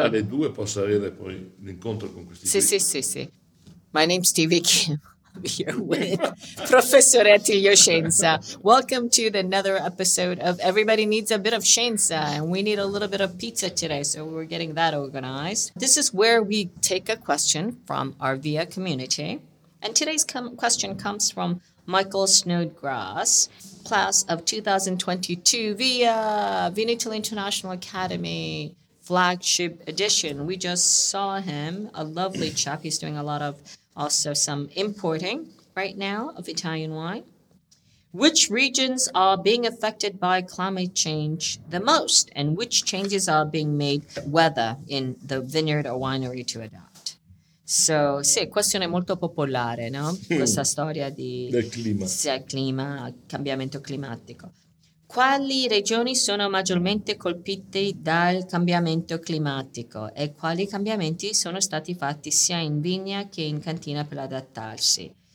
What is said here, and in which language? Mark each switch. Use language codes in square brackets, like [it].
[it] Io alle due posso avere poi l'incontro con questi sì, qui. Sì, sì, sì. [en] My name's Stevie Kim. I'm here with Professor Attilio Scienza. Welcome to another episode of Everybody Needs a Bit of Scienza, and we need a little bit of pizza today, so we're getting that organized. This is where we take a question from our VIA community, and today's question comes from Michael Snodgrass, class of 2022 via Vinitaly International Academy flagship edition. We just saw him, a lovely chap. He's doing a lot of also some importing right now of Italian wine. Which regions are being affected by climate change the most, and which changes are being made whether in the vineyard or winery to adapt? [it] So, sì, questione molto popolare, no? Questa storia di del clima, cambiamento climatico. Quali regioni sono maggiormente colpite dal cambiamento climatico e quali cambiamenti sono stati fatti sia in vigna che in cantina per adattarsi?